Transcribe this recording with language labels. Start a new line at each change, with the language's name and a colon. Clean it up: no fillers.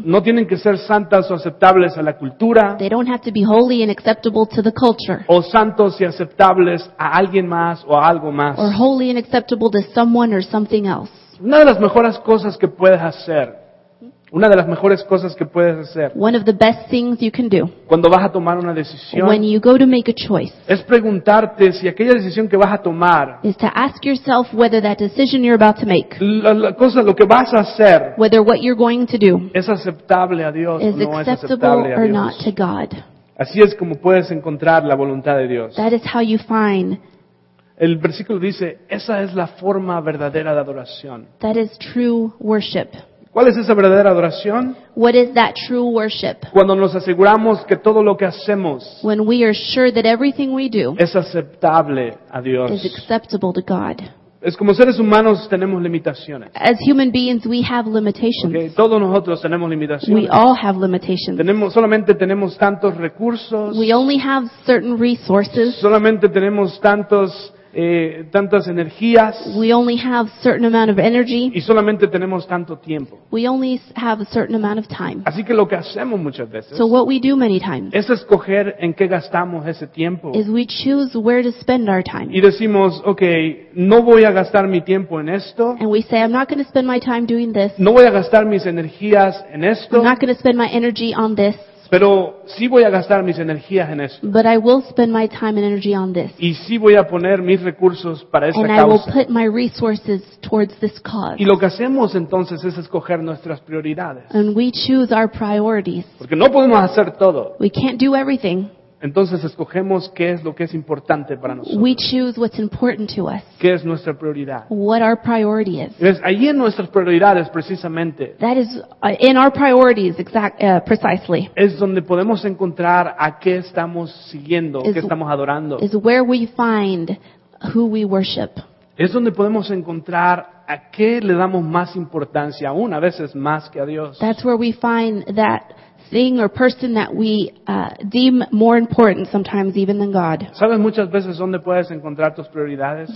Spanish: No tienen que ser santas o aceptables a la cultura.
English: They don't have to be holy and acceptable to the culture.
Spanish: O santos y aceptables a alguien más o a algo más.
English: Or holy and acceptable to someone or something else.
Spanish: Una de las mejores cosas que puedes hacer. Una de las mejores cosas que puedes hacer.
English: One of the best things you can do.
Spanish: Cuando vas a tomar una decisión.
English: When you go to make a choice.
Spanish: Es preguntarte si aquella decisión que vas a tomar.
English: Is to ask yourself whether that decision you're about to make.
Spanish: Lo que vas a hacer.
English: Whether what you're going to do.
Spanish: Es aceptable a Dios o no es
English: acceptable
Spanish: a Dios.
English: Or not to God.
Spanish: Así es como puedes encontrar la voluntad de Dios.
English: That is how you find.
Spanish: El versículo dice, esa es la forma verdadera de adoración.
English: That is true worship.
Spanish: ¿Cuál es esa verdadera adoración?
English: What is that true worship?
Spanish: Cuando nos aseguramos que todo lo que hacemos,
English: when we are sure that everything we do,
Spanish: es aceptable a Dios,
English: is acceptable to God.
Spanish: Es como seres humanos tenemos limitaciones.
English: As human beings, we have limitations.
Spanish: Okay, todos nosotros tenemos limitaciones.
English: We all have limitations.
Spanish: Solamente tenemos tantos recursos.
English: We only have certain resources.
Spanish: Solamente tenemos tantas energías.
English: We only have certain amount of energy.
Spanish: Y solamente tenemos tanto tiempo.
English: We only have a certain amount of time.
Spanish: Así que lo que hacemos muchas veces.
English: So what we do many times.
Spanish: Es escoger en qué gastamos ese tiempo.
English: Is we choose where to spend our time.
Spanish: Y decimos, okay, no voy a gastar mi tiempo en esto.
English: And we say, I'm not going to spend my time doing this.
Spanish: No voy a gastar mis energías en esto.
English: I'm not going to spend my energy on this.
Spanish: Pero sí voy a gastar mis energías en esto.
English: But I will spend my time and energy on this.
Spanish: Y sí voy a poner mis recursos para esa causa.
English: And I will put my resources towards this cause.
Spanish: Y lo que hacemos entonces es escoger nuestras prioridades.
English: And we choose our priorities.
Spanish: Porque no podemos hacer todo.
English: We can't do everything.
Spanish: Entonces escogemos qué es lo que es importante para nosotros.
English: We choose what's important to us.
Spanish: ¿Qué es nuestra prioridad?
English: What our priority is.
Spanish: Es ahí en nuestras prioridades precisamente.
English: That is in our priorities precisely.
Spanish: Es donde podemos encontrar a qué estamos siguiendo, qué estamos adorando.
English: Is where we find who we worship.
Spanish: Es donde podemos encontrar a qué le damos más importancia, aún a veces más que a Dios.
English: That's where we find that thing or person that we deem more important sometimes even than God.
Spanish: ¿Sabes muchas veces dónde puedes encontrar tus prioridades?